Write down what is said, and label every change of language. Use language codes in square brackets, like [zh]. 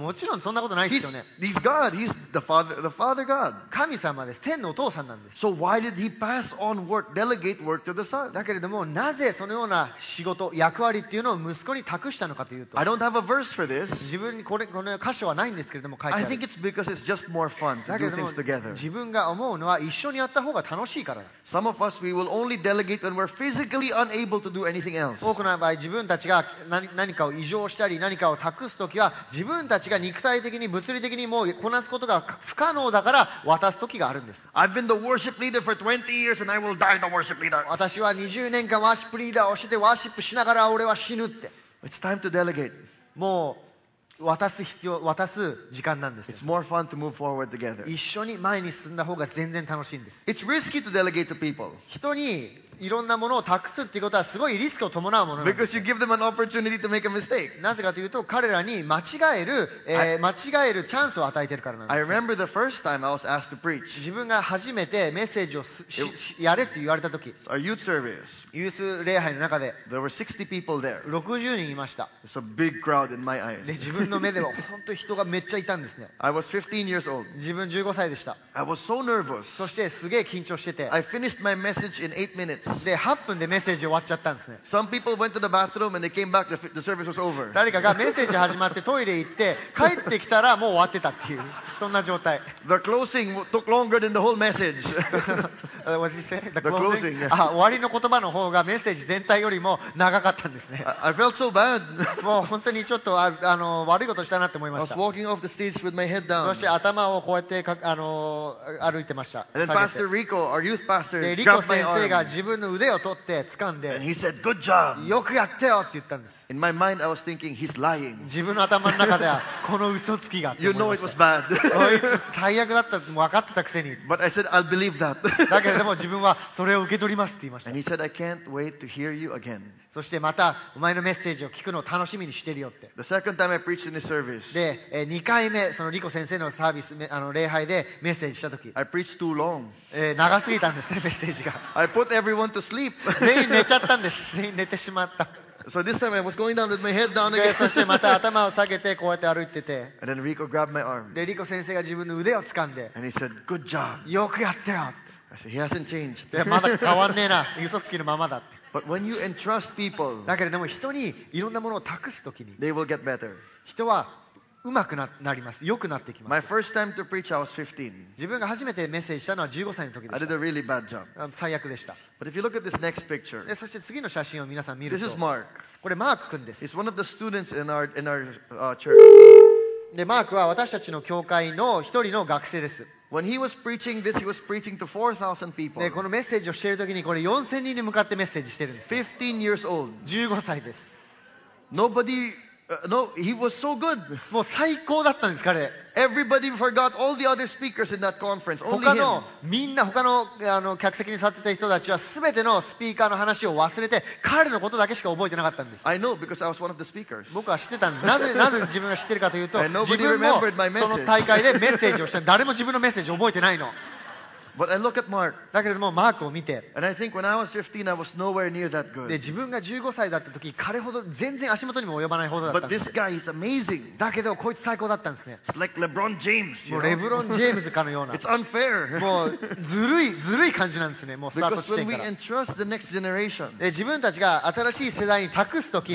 [ja] もちろんそんなことないですよね。 [en] He's God. He's the father God. [ja] 神様です。天のお父さんなんです。 [en] So why did he pass on work, delegate work to the son? [ja] だけれどもなぜそのような仕事、役割っていうのを息子に託したのかというと、 [en] I don't have a verse for this. [ja] 自分にこの箇所はないんですけれども書いてある。 [en] I think it's because it's just more fun to do things together. [ja] 自分が思うのは一緒にやった方が楽しいから。 [en] Some of us, we will only delegate when we're physically unable to do anything else. [ja] 多くの場合、自分たちが何かを異常したり、何かを託すときは自分たちが肉体的に物理的にもうこなすことが不可能だから渡すときがあるんです。 [en] I've been the worship leader for 20 years and I will die the worship leader. [ja] 私は20年間ワーシップリーダーをしてワーシップしながら俺は死ぬって。 [en] It's time to delegate. [ja] もう渡す必要、渡す時間なんです。 [en] It's more fun to move forward together. [ja] 一緒に前に進んだ方が全然楽しいんです。 [en] It's risky to delegate to people. [ja] 人にいろんなものを託すっていうことはすごいリスクを伴うものなんです。 [en] Because you give them an opportunity to make a mistake. [ja] なぜかというと彼らに間違えるチャンスを与えてるからなんです。 [en] I remember the first time I was asked to preach. [ja] 自分が初めてメッセージをやれって言われた時。 [en] It's our youth service. [ja] ユース礼拝の中で。 [en] There were 60 people there. [ja] 60人いました。 [en] It's a big crowd in my eyes. [ja] で、自分の目では本当人がめっちゃいたんですね。 [en] I was 15 years old. [ja] 自分15歳でした。 [en] I was so nervous. [ja] そしてすげえ緊張してて。 [en] I finished my message in 8 minutes. [ja] で8分でメッセージ終わっちゃったんですね。 [en] Some people went to the bathroom and they came back. The service was over. [ja] 誰かがメッセージ始まってトイレ行って帰ってきたらもう終わってたっていうそんな状態。 [en] The closing took longer than the whole message. What did you say? The closing. [ja] あ、終わりの言葉の方がメッセージ全体よりも長かったんですね。 [en] I felt so bad. [ja] もう本当にちょっと悪いことしたなって思いました。 [en] I was walking off the stage with my head down. [ja] そして頭をこうやって歩いてました。 [en] And then Pastor Rico, our youth pastor, [ja] で、リコ先生が自分の腕を取って掴んで、 [en] And he said, Good job. [ja] よくやってよって言ったんです。 [en] In my mind, I was thinking, he's lying. [ja] 自分の頭の中ではこの嘘つきがって [en] 。You know it was bad. [ja] 最悪だったって分かってたくせに。 [en] But I said, I'll believe that. [ja] だけれども自分はそれを受け取りますって言いました。 [en] And he said, I can't wait to hear you again. [ja] そしてまたお前のメッセージを聞くのを楽しみにしてるよって。 [en] The second time I preached in this service. [ja] で、2回目そのリコ先生のサービス、礼拝でメッセージしたとき。 [en] I preached too long. [ja] 長すぎたんですね、メッセージが。 [en] I put everyone to sleep. [ja] 全員寝ちゃったんです。全員寝てしまった。 [en] So this time I was going down with my head down again. [ja] そしてまた頭を下げてこうやって歩いてて。 [en] And then Rico grabbed my arm. [ja] で、リコ先生が自分の腕を掴んで。 [en] And he said, Good job. [ja] よくやってよ。 [en] I said, He hasn't changed. [ja] で、まだ変わんねえな。嘘つきのままだって。 [en] But when you entrust people, [ja] だけれども人にいろんなものを託すときに、 [en] they will get better. [ja] 人は上手くなります。良くなってきます。 [en] My first time to preach, I was 15. [ja] 自分が初めてメッセージしたのは15歳の時でした。 [en] I did a really bad job. [ja] 最悪でした。 [en] But if you look at this next picture, [ja] そして次の写真を皆さん見ると、 [en] this is Mark. [ja] これマーク君です。 [en] He's one of the students in our church. [ja] で、マークは私たちの教会の一人の学生です。 [en] When he was preaching this, he was preaching to 4,000 people. [ja] で、このメッセージをしている時にこれ 4,000 人に向かってメッセージしてるんです。 [en] 15 years old. [ja] 15歳です。 [en] Nobody... No, he was so good. [ja] もう最高だったんです彼。 [en] Everybody forgot all the other speakers in that conference. Only him. [ja] 他のみんな他のあの客席に座ってた人たちはすべてのスピーカーの話を忘れて彼のことだけしか覚えてなかったんです。 [en] I know because I was one of the speakers. [ja] 僕は知ってたんです。なぜ自分が知ってるかというと、自分もその大会でメッセージをした。誰も自分のメッセージを覚えてないの。 [en] But I look at Mark. [ja] だけれどもマークを見て、 [en] and I think when I was 15, I was nowhere near that good. [ja] で自分が15歳だった時、彼ほど全然足元にも及ばないほどだったんです。 [en] But this guy is amazing. [ja] だけどこいつ最高だったんですね。 [en] It's like LeBron James. [ja] もうレブロン・ジェームズかのような。 [en] It's unfair. [ja] もうずるい感じなんですね。もうスタート地点から。 [en] Because when we entrust the next generation, [ja] で自分たちが新しい世代に託す時、